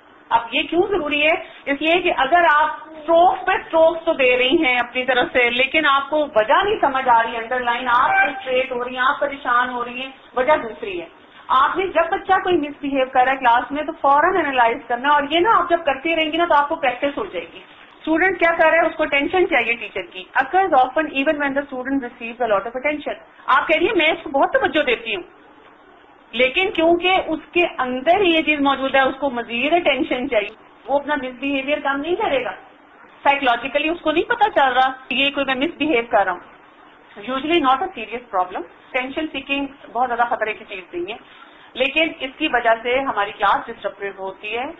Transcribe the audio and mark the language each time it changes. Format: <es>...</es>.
<ur>اب یہ کیوں ضروری ہے؟ اس لیے کہ اگر آپ اسٹروک پہ اسٹروک تو دے رہی ہیں اپنی طرف سے, لیکن آپ کو وجہ نہیں سمجھ آ رہی, انڈر لائن آپ فرسٹریٹ ہو رہی ہیں, آپ پریشان ہو رہی ہیں, وجہ دوسری ہے. آپ نے جب بچہ کوئی مس بہیو کر رہا ہے کلاس میں تو فوراً انالائز کرنا, اور یہ نا آپ جب کرتی رہیں گی نا تو آپ کو پریکٹس ہو جائے گی. اسٹوڈینٹ کیا کر رہا ہے, اس کو ٹینشن چاہیے ٹیچر کی.</ur> <en>Occurs often even when the student receives a lot of attention.</en> <ur>آپ کہہ رہی ہیں میں اس کو بہت توجہ دیتی ہوں, لیکن کیونکہ اس کے اندر یہ چیز موجود ہے, اس کو مزید اٹینشن چاہیے, وہ اپنا مس بہیویئر کام نہیں کرے گا. سائیکولوجیکلی اس کو نہیں پتا چل رہا یہ کوئی میں مس بہیو کر رہا ہوں.</ur> <en>usually not a serious problem,</en> <ur>tension seeking بہت زیادہ خطرے کی چیز نہیں ہے, لیکن اس کی وجہ سے ہماری کلاس ڈسٹرپٹیو ہوتی ہے.</ur>